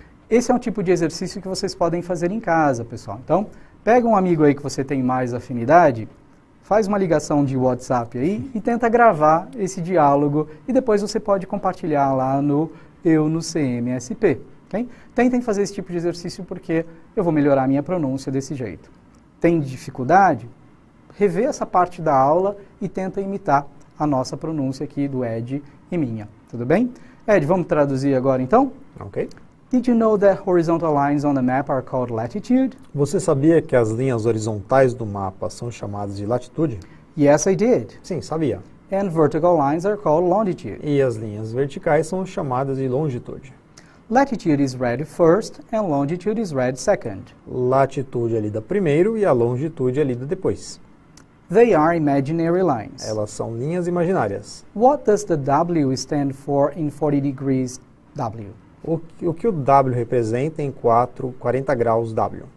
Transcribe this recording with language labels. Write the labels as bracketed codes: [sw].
[pt] Esse é um tipo de exercício que vocês podem fazer em casa, pessoal. Então, pega um amigo aí que você tem mais afinidade, faz uma ligação de WhatsApp aí e tenta gravar esse diálogo e depois você pode compartilhar lá no Eu no CMSP, Okay? Tentem fazer esse tipo de exercício porque eu vou melhorar a minha pronúncia desse jeito. Tem dificuldade? Revê essa parte da aula e tenta imitar a nossa pronúncia aqui do Ed e minha. Tudo bem? Ed, vamos traduzir agora então? [en] Ok. Did you know that horizontal lines on the map are called latitude? [pt] Você sabia que as linhas horizontais do mapa são chamadas de latitude? [en] Yes, I did. [pt] Sim, sabia. [en] And vertical lines are called longitude. [pt] E as linhas verticais são chamadas de longitude. [en] Latitude is read first and longitude is read second. [pt] Latitude é lida primeiro e a longitude é lida depois. [en] They are imaginary lines. [pt] Elas são linhas imaginárias. [en] What does the W stand for in 40 degrees W? [pt] O que o W representa em 40 graus W?